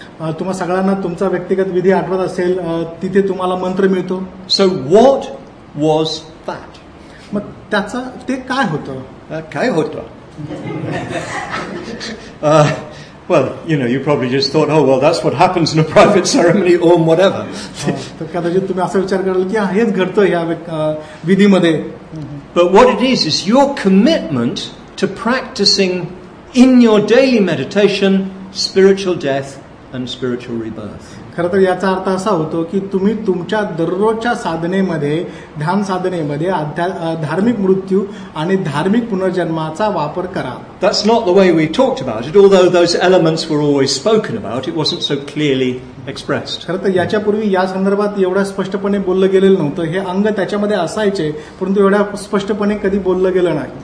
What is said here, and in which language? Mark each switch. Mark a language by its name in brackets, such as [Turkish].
[Marathi] तुम्हाला सगळ्यांना तुमचा व्यक्तिगत विधी आठवत असेल तिथे तुम्हाला मंत्र मिळतो. [English] so what was that, [Marathi] मग त्याचं ते काय होतं? काय होतं? [English] Well, you know, you probably just thought, oh, well, that's what happens in a private ceremony or whatever. [Marathi] तर कदाचित तुम्ही असा विचार कराल की हेच घडतं ह्या विधीमध्ये. [English] But what it is your commitment to practicing in your daily meditation spiritual death and spiritual rebirth. [Marathi] खरं तर याचा अर्थ असा होतो की तुम्ही तुमच्या दररोजच्या साधनेमध्ये ध्यान साधनेमध्ये धार्मिक मृत्यू आणि धार्मिक पुनर्जन्माचा वापर करा. [English] That's not the way we talked about it, although those elements were always spoken about, it wasn't so clearly expressed. [Marathi] खरं तर याच्यापूर्वी या संदर्भात एवढा स्पष्टपणे बोललं गेलेलं नव्हतं. हे अंग त्याच्यामध्ये असायचे परंतु एवढ्या स्पष्टपणे कधी बोललं गेलं नाही.